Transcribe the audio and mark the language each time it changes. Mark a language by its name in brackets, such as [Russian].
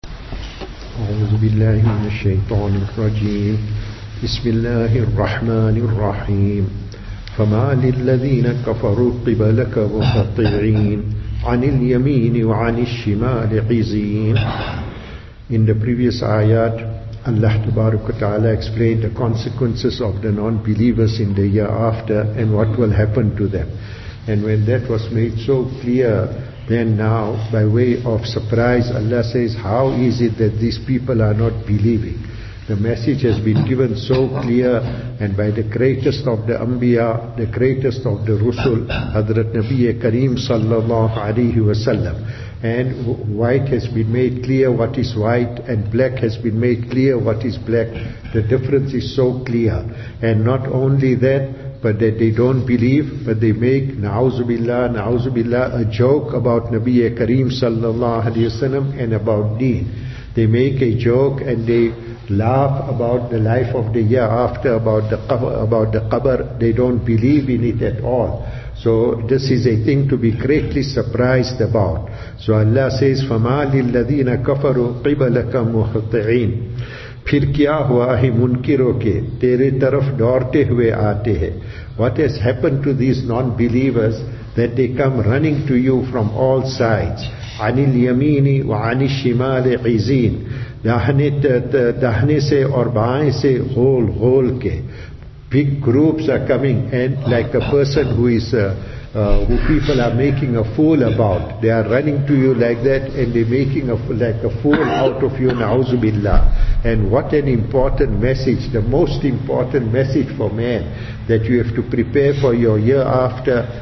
[Arabic] أعوذ بالله من الشيطان الرجيم. بسم الله الرحمن الرحيم. فما للذين كفروا قبلك مهطعين عن اليمين وعن الشمال عزين. [English] In the previous ayat, Allah tabaraka ta'ala explained the consequences of the non-believers in the year after and what will happen to them. And when that was made so clear, then now, by way of surprise, Allah says, how is it that these people are not believing? The message has been given so clear, and by the greatest of the Anbiya, the greatest of the Rusul, Hadrat Nabi Kareem sallallahu alayhi wa sallam. And white has been made clear what is white, and black has been made clear what is black. The difference is so clear. And not only that, but that they don't believe, but they make na'uzubillah a joke about Nabi Kareem sallallahu alayhi wa sallam and about deen. They make a joke and they laugh about the life of the year after, about the qabr. They don't believe in it at all. So this is a thing to be greatly surprised about. So Allah says, [Arabic] فَمَا لِلَّذِينَ كَفَرُوا قِبَلَكَ مُخْطِعِينَ. [Urdu] پھر کیا ہوا ہے منکروں کے تیرے طرف دورتے ہوئے آتے ہیں. [English] What has happened to these non-believers that they come running to you from all sides? [Arabic] عَنِ الْيَمِينِ وَعَنِ الشِّمَالِ عِزِينَ. [Urdu] دہنے سے اور بائیں سے غول غول کے. [English] Big groups are coming, and like a person who people are making a fool about. They are running to you like that, and they're making a fool out of you, na'uzubillah. And what an important message, the most important message for man, that you have to prepare for your year after.